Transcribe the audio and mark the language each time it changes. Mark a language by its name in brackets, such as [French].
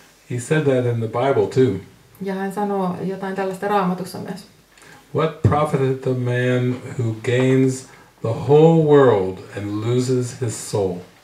[English] He said that in the Bible too. [Finnish] Ja hän sanoo jotain tällaista Raamatussa myös. [English] What profiteth the man who gains the whole world and loses his soul?